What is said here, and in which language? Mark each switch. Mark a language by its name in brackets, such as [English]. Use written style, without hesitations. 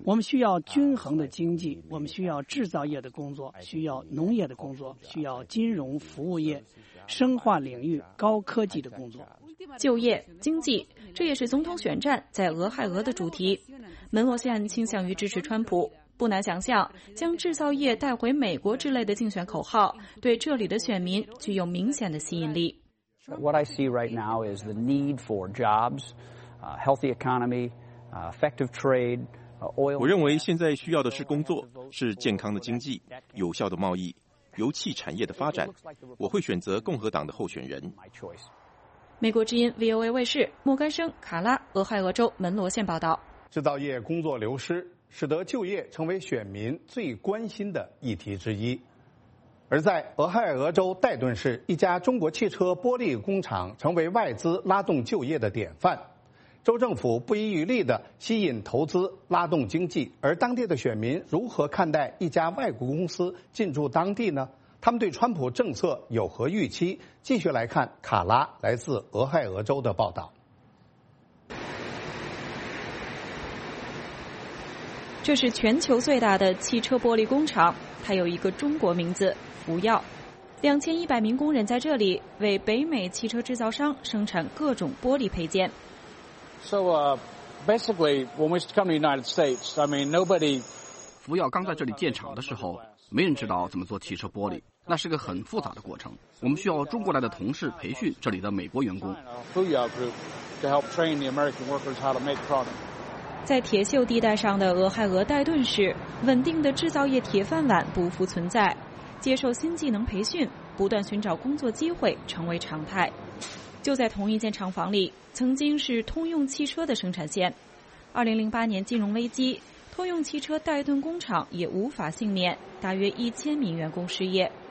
[Chinese] 我们需要均衡的经济，我们需要制造业的工作，需要农业的工作，需要金融服务业、生化领域、高科技的工作。就业、经济，这也是总统选战在俄亥俄的主题。门罗县倾向于支持川普，不难想象，将制造业带回美国之类的竞选口号，对这里的选民具有明显的吸引力。 [English] What I see right now is the need for jobs, healthy economy. Effective trade, oil. [Chinese] 我认为现在需要的是工作，是健康的经济，有效的贸易，油气产业的发展。我会选择共和党的候选人。美国之音 VOA 卫视莫甘生卡拉俄亥俄州门罗县报道。制造业工作流失，使得就业成为选民最关心的议题之一。而在俄亥俄州戴顿市，一家中国汽车玻璃工厂成为外资拉动就业的典范。州政府不遗余力地吸引投资，拉动经济，而当地的选民如何看待一家外国公司进驻当地呢？他们对川普政策有何预期？继续来看卡拉来自俄亥俄州的报道。这是全球最大的汽车玻璃工厂，它有一个中国名字——福耀。 2100名工人在这里为北美汽车制造商生产各种玻璃配件。 [English] So basically, when we come to the United States, I mean, nobody. [Chinese] 福耀刚在这里建厂的时候，没人知道怎么做汽车玻璃，那是个很复杂的过程。我们需要中国来的同事培训这里的美国员工。 [English] Fuyao Group to help train the American workers how to make products. [Chinese] 在铁锈地带上的俄亥俄戴顿市，稳定的制造业铁饭碗不复存在，接受新技能培训，不断寻找工作机会成为常态。就在同一间厂房里，曾经是通用汽车的生产线。 2008年金融危机，通用汽车戴顿工厂也无法幸免，大约1000名员工失业。